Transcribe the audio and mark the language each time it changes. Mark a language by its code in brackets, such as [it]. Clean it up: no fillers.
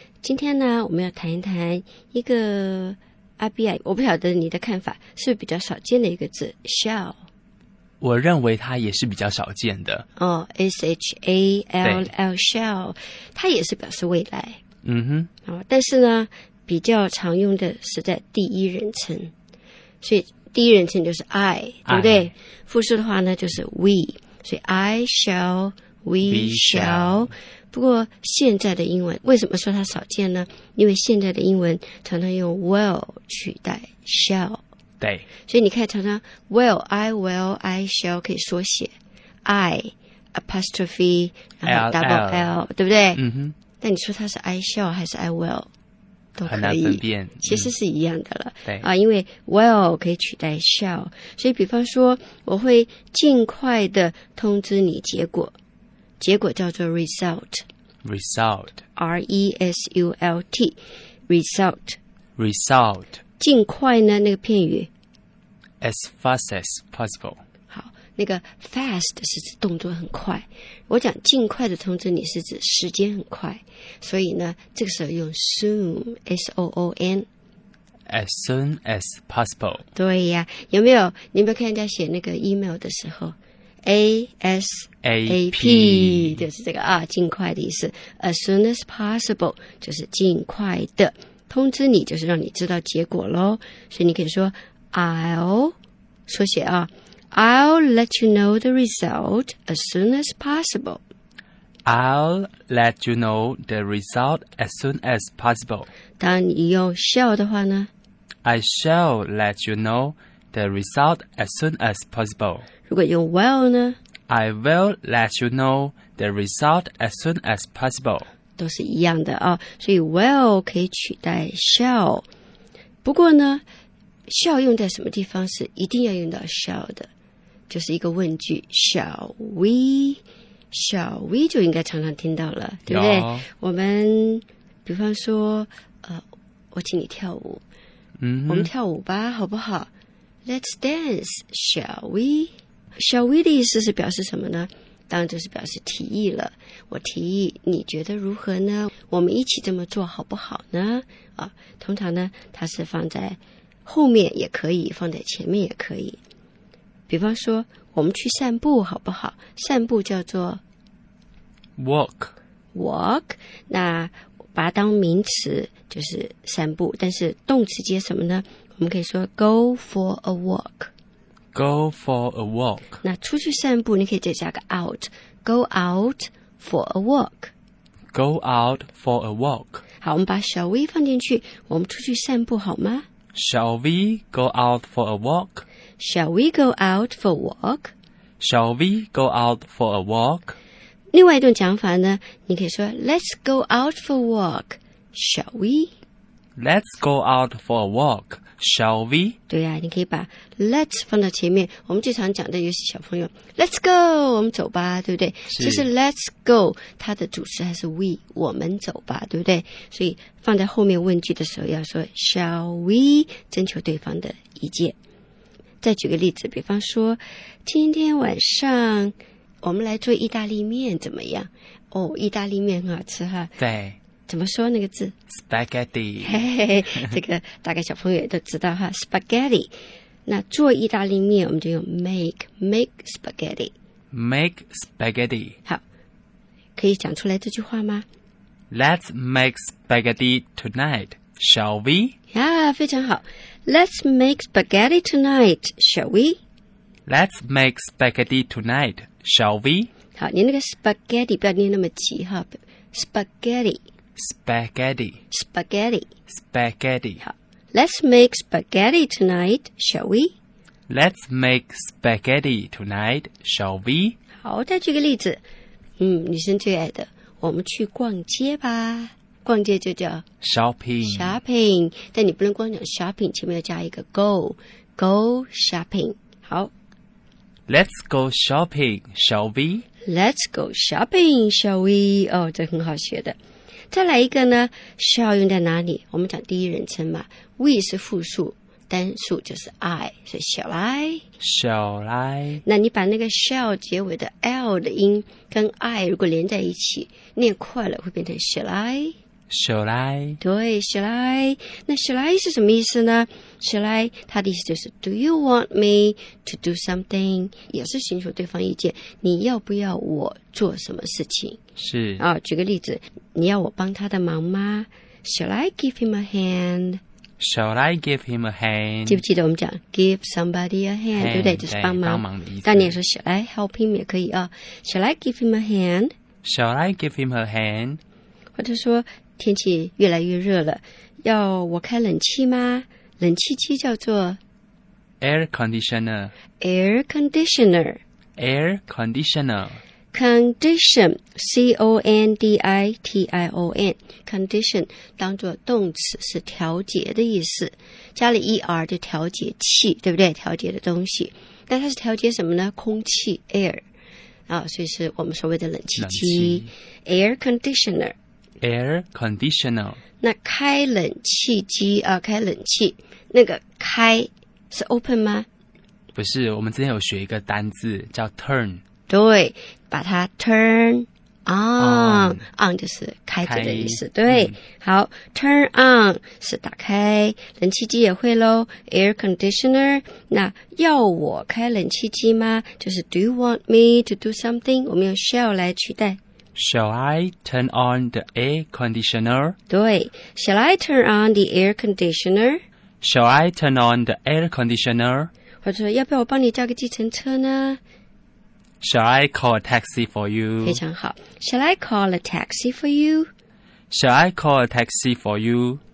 [zh] 今天呢我们要谈一谈一个阿B啊，我不晓得你的看法，是比较少见的一个字 shall。我认为它也是比较少见的。哦 ,shall, shall, 它也是表示未来。嗯哼。哦、但是呢比较常用的是在第一人称。所以第一人称就是 I, 对不对、 [en] I. [zh] 复数的话呢就是 we, 所以 [en] I shall, we shall。 [zh] 不过现在的英文为什么说它少见呢？因为现在的英文常常用 will 取代 shall。对，所以你看常常 will, [en] I will, I shall [zh] 可以缩写 I apostrophe 然后 double L, 对不对？嗯哼。但你说它是 I shall 还是 I will 都可以，很难分辨，其实是一样的了。嗯、对啊，因为 will 可以取代 shall, 所以比方说我会尽快的通知你结果，结果叫做 result, [en] result, R E S U L T, result, result. [zh] 尽快呢那个片语 [en] As fast as possible。 [zh] 好，那个 fast 是指动作很快，我讲尽快的通知你是指时间很快，所以呢这个时候用 soon, S-O-O-N [en] As soon as possible。 [zh] 对呀，有没有，你有没有看人家写那个 email 的时候 A-S-A-P 就是这个啊，尽快的意思。 [en] As soon as possible [zh] 就是尽快的通知你，就是让你知道结果咯。所以你可以说 [en] I'll 缩写啊， I'll let you know the result as soon as possible. I'll let you know the result as soon as possible. [zh] 当你用 shall 的话呢， [en] I shall let you know the result as soon as possible. [zh] 如果用 will 呢， [en] I will let you know the result as soon as possible. [zh] 都是一样的啊，所以 will 可以取代 shall。不过呢 shall 用在什么地方是一定要用到 shall 的，就是一个问句 shall we, shall we 就应该常常听到了，对不对？我们比方说我请你跳舞、嗯、我们跳舞吧好不好， [en] let's dance, shall we, shall we [zh] 的意思是表示什么呢？当然就是表示提议了，我提议你觉得如何呢？我们一起这么做好不好呢？啊，通常呢它是放在后面也可以，放在前面也可以。比方说我们去散步好不好，散步叫做 [en] walk, [zh] walk, 那把它当名词就是散步，但是动词接什么呢？我们可以说 [en] go for a walk Go for a walk. [zh] 那出去散步你可以再加个 out. [en] Go out for a walk. Go out for a walk. [zh] 好，我们把 shall we 放进去，我们出去散步好吗？ [en] Shall we go out for a walk? Shall we go out for a walk? Shall we go out for a walk? [zh] 另外一种讲法呢，你可以说 [en] let's go out for a walk. Shall we? Let's go out for a walk. Shall we? [zh] 对啊，你可以把 let's 放到前面，我们最常讲的有些小朋友 [en] let's go, [zh] 我们走吧，对不对？其实 [en] let's go [zh] 它的主词还是 we, 我们走吧，对不对？所以放在后面问句的时候要说 shall we, 征求对方的意见。再举个例子，比方说今天晚上我们来做意大利面怎么样？哦，意大利面很好吃哈。对，怎么说那个字 [en] Spaghetti [zh] 嘿嘿嘿，这个大概小朋友都知道哈Spaghetti 那做意大利面我们就用 make spaghetti, [en] make spaghetti。 [zh] 好，可以讲出来这句话吗？ [en] Let's make spaghetti tonight, shall we? 呀、啊， [zh] 非常好， [en] Let's make spaghetti tonight, shall we? Let's make spaghetti tonight, shall we? [zh] 好，你那个 spaghetti 不要念那么急哈， spaghetti [en] Spaghetti. Spaghetti. Spaghetti. 好， Let's make spaghetti tonight, shall we? Let's make spaghetti tonight, shall we? [zh] 好，再举个例子。嗯，女生最爱的，我们去逛街吧。逛街就叫 [en] shopping [zh] shopping， 但你不能光讲 shopping， 前面要加一个 go， [en] go shopping。 [zh] 好， [en] Let's go shopping， shall we？ Let's go shopping， shall we？ [zh] 哦，这很好学的。再来一个呢， shall 用在哪里？我们讲第一人称嘛， we 是复数，单数就是 I， 所以 shall I， [en] shall I。 [zh] 那你把那个 shall 结尾的 L 的音跟 I 如果连在一起念快了，会变成 shall I， [en] shall I。对， shall I。 [zh] 那 shall I 是什么意思呢？shall I 它的意思就是 [en] do you want me to do something， [zh] 也是寻求对方意见，你要不要我做什么事情。是啊，举个例子，你要我帮他的忙吗？ [en] shall I give him a hand Shall I give him a hand? [zh] 记不记得我们讲 give somebody a hand, [en] hand [zh] 对不对？就是帮忙。帮忙的意思。但你也说 [en] shall I help him [zh] 也可以啊。 [en] Shall I give him a hand? Shall I give him a hand? [zh] 或者说天气越来越热了，要我开冷气吗？冷气机叫做 [en] air conditioner. Air conditioner. Air conditioner. [zh] Condition, C-O-N-D-I-T-I-O-N, condition 当作动词是调节的意思，加了 E-R 就调节器，对不对？调节的东西。但它是调节什么呢？空气 Air、啊、所以是我们所谓的冷气机。 [en] Air conditioner Air conditioner。 [zh] 那开冷气机、啊、开冷气那个开是 open 吗？不是，我们之前有学一个单字叫 turn。对，把它 turn on, [en] on [zh] 就是开着的意思。对、嗯、好， turn on 是打开，冷气机也会咯， air conditioner。那要我开冷气机吗？就是 [en] do you want me to do something， [zh] 我们用 shall 来取代。 [en] Shall I turn on the air conditioner？对， shall I turn on the air conditioner？ Shall I turn on the air conditioner？ [zh] 或者要不要我帮你叫个计程车呢？ [en] Shall I call a taxi for you? [zh] 非常好。 [en] Shall I call a taxi for you? Shall I call a taxi for you?